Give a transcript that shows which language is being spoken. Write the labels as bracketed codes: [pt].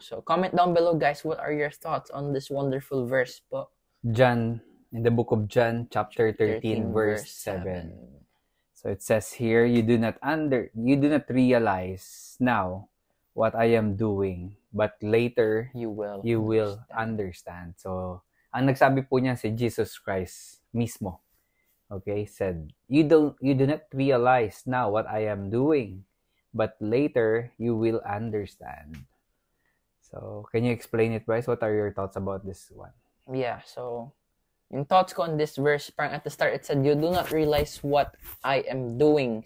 [en] So comment down below, guys. What are your thoughts on this wonderful verse? John, in the book of John, chapter 13, verse 7. So it says here, you do not realize now what I am doing, but later you will understand. [tl] So ang nagsabi po niya si Jesus Christ mismo. [en] Okay, said, you do not realize now what I am doing, but later you will understand. So can you explain it, Bryce? What are your thoughts about this one? Yeah, so yung thoughts ko on this verse, parang at the start it said you do not realize what I am doing.